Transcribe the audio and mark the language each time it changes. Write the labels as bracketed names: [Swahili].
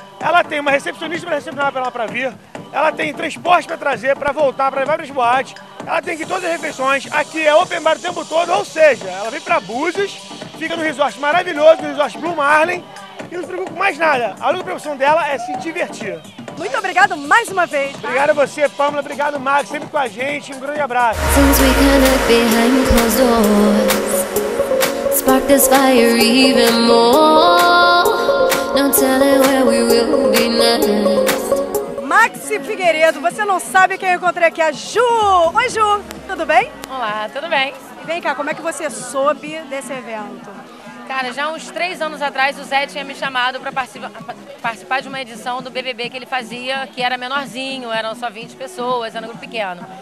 [Portuguese] Ela tem uma recepcionista pra recepcionar pra ela pra vir, ela tem transporte pra trazer, pra voltar, pra levar pras boates, ela tem que ir todas as refeições, aqui é open bar o tempo todo, ou seja, ela vem pra Búzios, fica no resort maravilhoso, no resort Blue Marlin, e não se preocupa com mais nada. A única preocupação dela é se divertir. Muito obrigado mais uma vez. Tá? Obrigado a você, Pâmela. Obrigado, Max. Sempre com a gente. Um grande abraço. [English] Since we connect behind closed doors, spark this fire even more. Don't tell it where we will be next. [Portuguese] Max Figueiredo, você não sabe quem eu encontrei aqui, a Ju. Oi, Ju. Tudo bem? Olá, tudo bem. Vem cá, como é que você soube desse evento? Cara, já uns 3 anos atrás o Zé tinha me chamado para participar de uma edição do BBB que ele fazia, que era menorzinho, eram só 20 pessoas, era um grupo pequeno.